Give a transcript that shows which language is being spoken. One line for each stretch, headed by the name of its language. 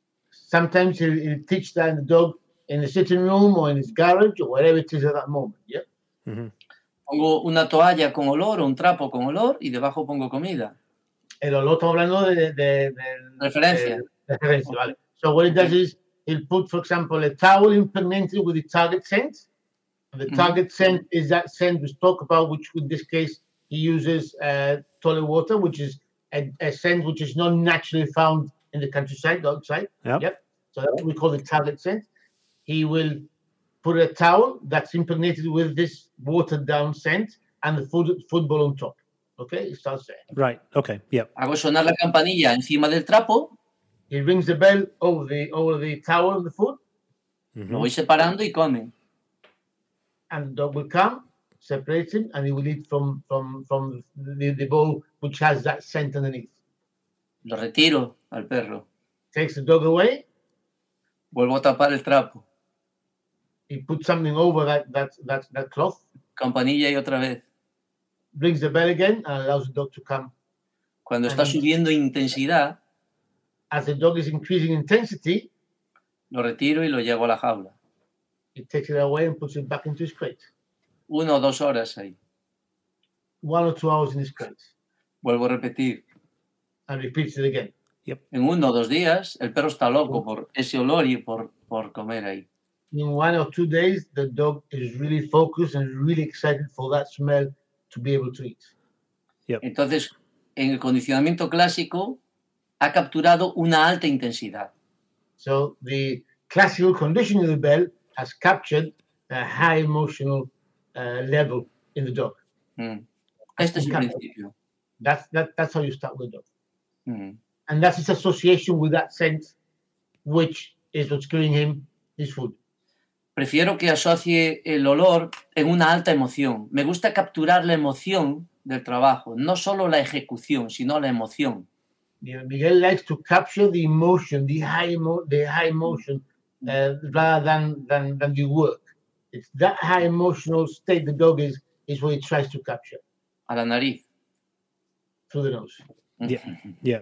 English: Sometimes he'll teach that the dog in the sitting room or in his garage or wherever it is at that moment. Yeah. Mm-hmm.
Spanish: Pongo una toalla con olor o un trapo con olor y debajo pongo comida. El olor está hablando de referencia. Referencia,
English: okay. vale. So what he does okay. is he'll put, for example, a towel impregnated with the target scent. The target mm-hmm. scent is that scent we talk about, which in this case he uses toilet water, which is a scent which is not naturally found in the countryside, the outside. Yep. Yep. So that's what we call the target scent. He will put a towel that's impregnated with this watered-down scent and the football on top. Okay? It starts there. Right. Okay. Yep.
Spanish: Hago sonar la campanilla encima del trapo.
English: He rings the bell over the towel and the food.
Spanish: Mm-hmm. Lo voy separando y come.
English: And the dog will come. Separate him, and he will eat from the bowl, which has that scent underneath.
Spanish: Lo retiro al perro.
English: Takes the dog away.
Spanish: Vuelvo a tapar el trapo.
English: He puts something over that cloth.
Spanish: Campanilla y otra vez.
English: Brings the bell again and allows the dog to come.
Spanish: Cuando and está subiendo intensidad.
English: As the dog is increasing intensity.
Spanish: Lo retiro y lo llevo a la jaula.
English: He takes it away and puts it back into his crate.
Spanish: 1 o 2 horas ahí.
English: 1 or 2 hours in his crate.
Spanish: Vuelvo a repetir.
English: And repeats it again. Yep.
Spanish: En 1 o 2 días, el perro está loco por ese olor y por comer ahí.
English: In 1 or 2 days, the dog is really focused and really excited for that smell to be able to eat. Yep.
Spanish: Entonces, en el condicionamiento clásico, ha capturado una alta intensidad.
English: So, the classical conditioning of the bell has captured a high emotional level in the dog.
Spanish: Mm. Este es el principio.
English: That's how you start with the dog. Mm. And that's his association with that scent, which is what's giving him his food.
Spanish: Prefiero que asocie el olor en una alta emoción. Me gusta capturar la emoción del trabajo, no solo la ejecución, sino la emoción.
English: Miguel likes to capture the emotion, the high emotion, rather than the work. It's that high emotional state the dog is what he tries to capture.
Spanish: A la nariz.
English: Through the nose. Yeah. Yeah.